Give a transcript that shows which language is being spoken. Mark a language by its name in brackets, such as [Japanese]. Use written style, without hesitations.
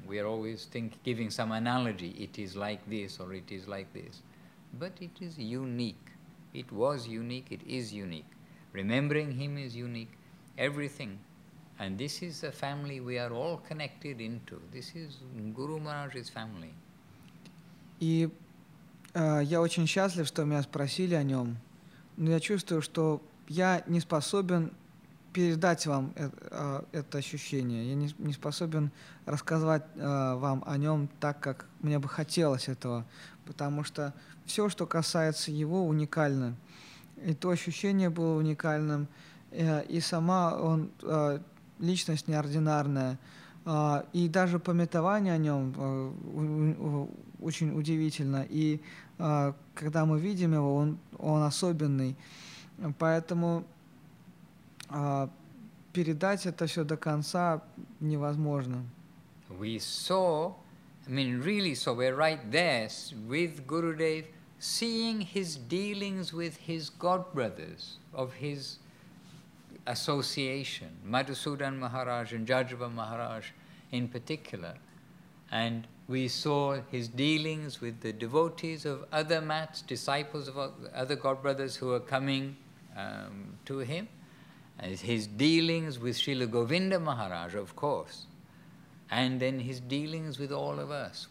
[English] We are always giving some analogy. It is like this or it is like this. But it is unique. It was unique, it is unique. Remembering him is unique, everything. And this is the family we are all connected into. This is Guru Maharaj's family. [Russian] И я очень счастлив, что меня спросили о нем. Но я чувствую, что я не способен передать вам это ощущение. Я не способен рассказать вам о нем так, как мне бы хотелось этого. Потому что все, что касается его, уникально. И то ощущение было уникальным, и сама он личность неординарная, и даже памятование о нем очень удивительно, и когда мы видим его, он особенный, поэтому передать это все до конца невозможно. [English] We saw, I mean, really saw, we're right there with Gurudev. Seeing his dealings with his godbrothers of his association, Madhusudan Maharaj and Jajava Maharaj in particular, and we saw his dealings with the devotees of other mats, disciples of other godbrothers who were coming to him, and his dealings with Srila Govinda Maharaj, of course, and then his dealings with all of us.